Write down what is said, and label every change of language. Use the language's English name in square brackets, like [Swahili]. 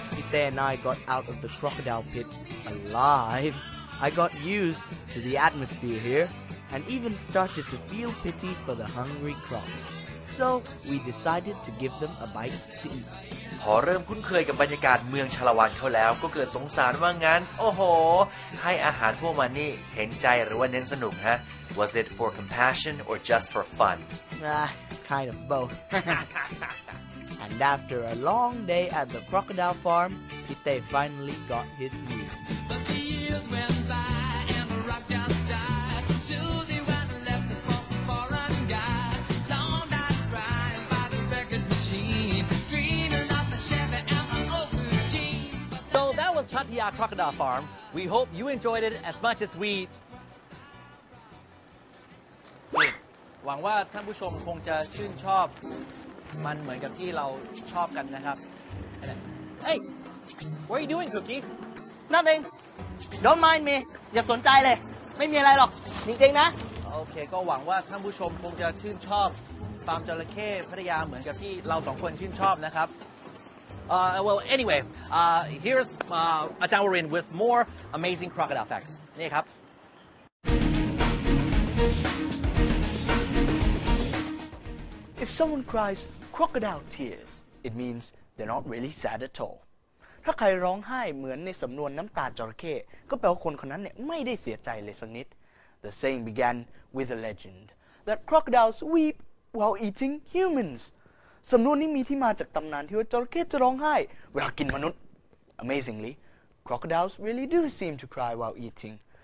[English] There and I got out of the crocodile pit alive. I got used to the atmosphere here and even started to feel pity for the hungry crocs. So we decided to give them a bite to eat. [Thai] พอเริ่มคุ้นเคยกับบรรยากาศเมืองชาลวันเข้าแล้วก็เกิดสงสารว่างั้นโอ้โหให้อาหารพวกมันนี่เห็นใจหรือว่าเน้นสนุกฮะ [English] Was it for compassion or just for fun? Kind of both. And after a long day at the crocodile farm, Pite finally got his meal. But the years went by and the rock just died. Soon he went and left this false foreign guy. Long nights crying by the record machine. Dreaming of the Chevy and the open jeans. So that was Pattaya Crocodile Farm. We hope you enjoyed it as much as we... [Thai] หวังว่าท่านผู้ชมคงจะชื่นชอบมันเหมือนกับที่เราชอบกันนะครับเ [English] ฮ้ย what are you doing Cookie nothing don't mind me [Thai] อย่าสนใจเลยไม่มีอะไรหรอกจริงๆนะ โอเคก็หวังว่าท่านผู้ชมคงจะชื่นชอบฟาร์มจระเข้พัทยาเหมือนกับที่เราสองคนชื่นชอบนะครับ [English] well anyway here's Ajahn Warren with more amazing crocodile facts [Thai] นี่ครับ [English] If someone cries crocodile tears, it means they're not really sad at all. [Thai] ถ้าใครร้องไห้เหมือนในสำนวนน้ำตาจระเข้ก็แปลว่าคนคนนั้นเนี่ยไม่ได้เสียใจเลยสักนิด [English] The saying began with a legend that crocodiles weep while eating humans. [Thai] สำนวนนี้มีที่มาจากตำนานที่ว่าจระเข้จะร้องไห้เวลากินมนุษย์ [English] Amazingly, crocodiles really do seem to cry while eating.